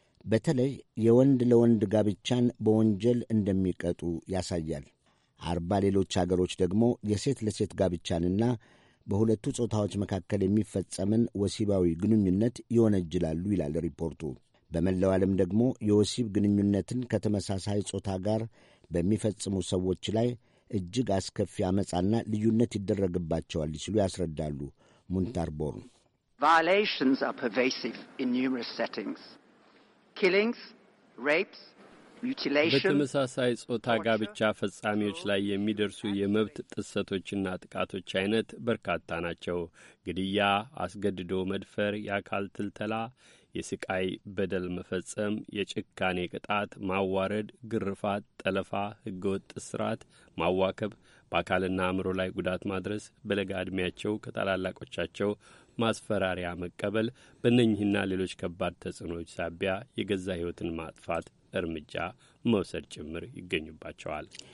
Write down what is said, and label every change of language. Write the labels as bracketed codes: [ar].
[am] በተለይ የወንድ ለወንድ ጋብቻን በወንጀል እንደሚቀጡ ያሳያል። 40 ሌሎች ሀገሮች ደግሞ የሴት ለሴት ጋብቻንና በሁለቱ ጾታዎች መካከል የሚፈጸምን ወሲባዊ ግንኙነት ይወነጅላሉ ይላል ሪፖርቱ። በመላው ዓለም ደግሞ የወሲብ ግንኙነትን ከተመሳሳይ ጾታ ጋር በሚፈጽሙ ሰዎች ላይ እጅግ አስከፊ አመጻና ልዩነት ይደረግባቸዋል ሲሉ ያስረዳሉ ሙንታርቦርን። [en] Violations are pervasive in numerous settings. Killings, rapes, [am] በተመሳሳይ ጾታ ጋብቻ ፈጻሚዎች ላይ የሚደርሱ የመብት ጥሰቶችና ጥቃቶች አይነት በርካታ ናቸው። ግድያ፣ አስገድዶ መድፈር፣ የአካል ትልተላ፣ የስቃይ በደል መፈጸም፣ የጭካኔ ቅጣት፣ ማዋረድ፣ ግርፋት፣ ጠለፋ፣ ህገወጥ ስርዓት፣ ማዋከብ፣ በአካልና አእምሮ ላይ ጉዳት ማድረስ፣ በለጋ ዕድሜያቸው ከታላላቆቻቸው ማስፈራሪያ መቀበል፣ በእነኝህና ሌሎች ከባድ ተጽዕኖዎች ሳቢያ የገዛ ሕይወትን ማጥፋት እርምጃ መውሰድ ጭምር ይገኙባቸዋል።